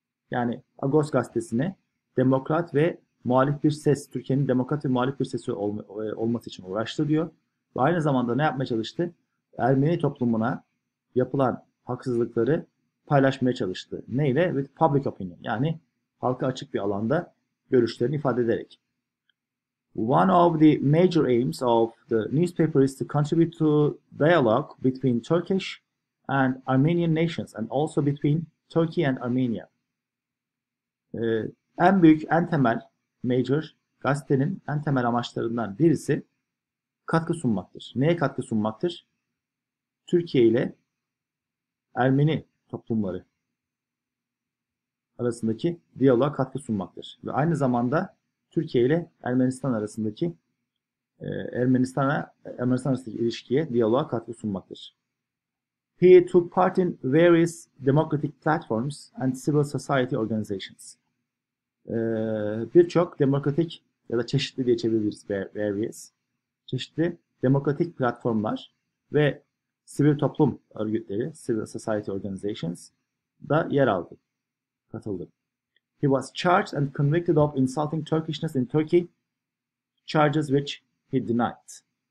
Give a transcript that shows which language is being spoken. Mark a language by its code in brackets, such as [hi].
[tr] Yani Agos gazetesine demokrat ve muhalif bir ses, Türkiye'nin demokrat ve muhalif bir sesi olması için uğraştı diyor. Ve aynı zamanda ne yapmaya çalıştı? Ermeni toplumuna yapılan haksızlıkları paylaşmaya çalıştı. Neyle? [en] With public opinion. [tr] Yani halka açık bir alanda görüşlerini ifade ederek. [en] One of the major aims of the newspaper is to contribute to dialogue between Turkish and Armenian nations and also between Turkey and Armenia. [tr] En büyük, en temel major gazetenin en temel amaçlarından birisi katkı sunmaktır. Neye katkı sunmaktır? Türkiye ile Ermeni toplumları arasındaki diyaloğa katkı sunmaktır. Ve aynı zamanda Türkiye ile Ermenistan arasındaki Ermenistan arasındaki ilişkiye, diyaloğa katkı sunmaktır. [en] He took part in various democratic platforms and civil society organizations. [tr] Birçok demokratik ya da çeşitli diye çevirebiliriz, various. Çeşitli demokratik platformlar ve sivil toplum örgütleri, [en] civil society organizations [tr] da yer aldı, katıldı. [en] He was charged and convicted of insulting Turkishness in Turkey, charges which he denied.